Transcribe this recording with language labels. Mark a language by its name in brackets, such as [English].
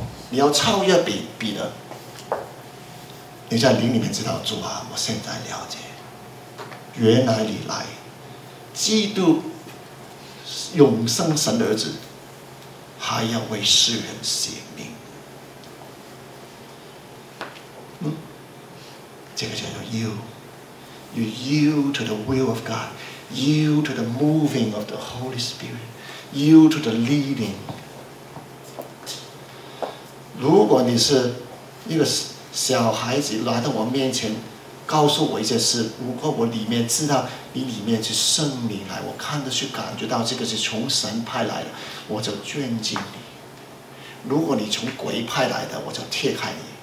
[Chinese] 你要超越彼得，你在灵里面知道，主啊，我现在了解，原来你来，基督，永生神的儿子，还要为世人舍命。这个叫做 [English] you yield to the will of God, yield to the moving of the Holy Spirit, yield to the leading。 [Chinese] 如果你是一个小孩子来到我面前告诉我一些事，如果我里面知道你里面是圣灵来，我看得去感觉到这个是从神派来的，我就尊敬你，如果你从鬼派来的，我就撇开你。